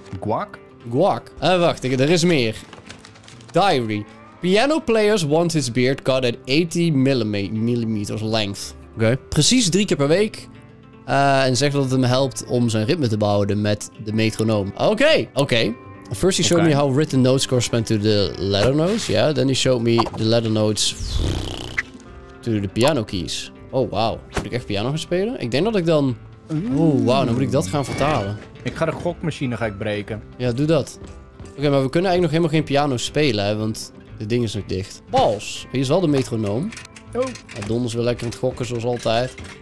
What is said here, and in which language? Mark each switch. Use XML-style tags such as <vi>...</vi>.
<nl>Guac? Guac. Wacht, er is meer. Diary.</nl> <en>Piano players want his beard cut at 80 millimeters length. Oké.</en> <nl>Precies 3 keer per week. En zegt dat het hem helpt om zijn ritme te behouden met de metronoom. Oké.</nl> <en>First he showed me how written notes correspond to the letter notes. Yeah, then he showed me the letter notes to the piano keys. Oh, wow.</en> <nl>Moet ik echt piano gaan spelen? Ik denk dat ik dan... Oh, wow. Dan moet ik dat gaan vertalen. Ik ga de gokmachine breken. Ja, doe dat. Oké, maar we kunnen eigenlijk nog helemaal geen piano spelen, hè, want het ding is nog dicht. Pals. Hier is wel de metronoom. Oh. Don is weer lekker aan het gokken, zoals altijd.</nl>